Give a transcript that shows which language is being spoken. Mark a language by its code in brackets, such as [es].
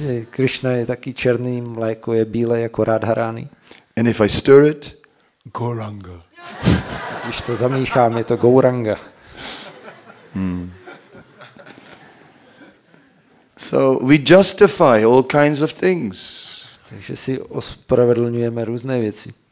[cs] Krishna je taky černý, mléko je bílé jako Radharani. [en] And if I stir it, Gauranga. [cs] Když to zamíchám, je to Gauranga. [en] So we justify all kinds of things. [cs] Takže si ospravedlňujeme různé věci.